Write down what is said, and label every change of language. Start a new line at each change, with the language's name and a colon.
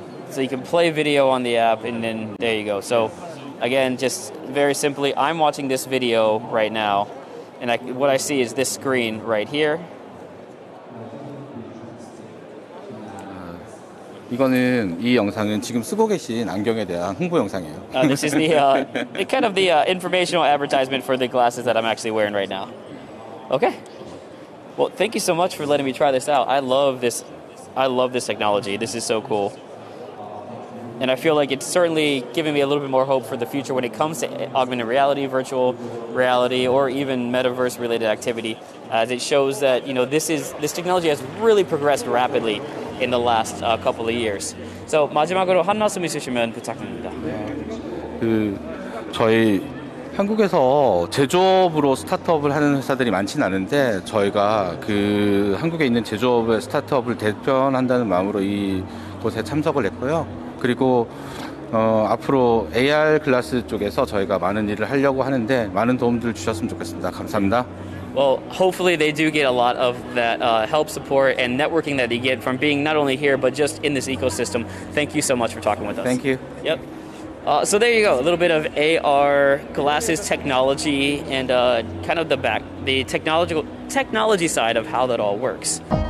English: So you can play video on the app, and then there you go. So again, just very simply, I'm watching this video right now, and what I see is this screen right here.
Korean: 이거는 이 영상은 지금 쓰고 계신 안경에 대한 홍보 영상이에요.
English: This is the kind of the informational advertisement for the glasses that I'm actually wearing right now. Okay. Well, thank you so much for letting me try this out. I love this technology. This is so cool. And I feel like it's certainly giving me a little bit more hope for the future when it comes to augmented reality, virtual reality, or even metaverse related activity, as it shows that, you know, this technology has really progressed rapidly in the last couple of years.
Korean: So, 마지막으로 한 말씀 있으시면 부탁드립니다. 저희 한국에서 제조업으로 스타트업을 하는 회사들이 많지는 않은데 저희가 그 한국에 있는 제조업의 스타트업을 대표한다는 마음으로 이 곳에 참석을 했고요. 그리고 앞으로 AR 글라스 쪽에서 저희가 많은 일을 하려고 하는데 많은 도움들 주셨으면 좋겠습니다. 감사합니다.
English: Well, hopefully they do get a lot of that help, support, and networking that they get from being not only here, but just in this ecosystem. Thank you so much for talking with us. Thank you. Yep. So there you go. A little bit of AR glasses technology and kind of the technology side of how that all works.